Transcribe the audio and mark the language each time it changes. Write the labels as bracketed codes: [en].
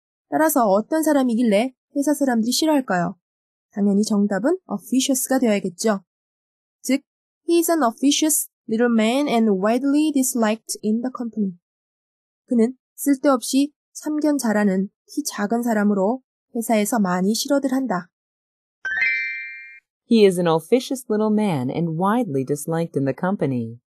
[ko] 따라서 어떤 사람이길래 회사 사람들이 싫어할까요? 당연히 정답은 officious가 되어야겠죠. [en] 즉, he is an officious little man and widely disliked in the company. [ko] 그는 쓸데없이 참견 잘하는 키 작은 사람으로 회사에서 많이 싫어들 한다. [en] He is an officious little man and widely disliked in the company.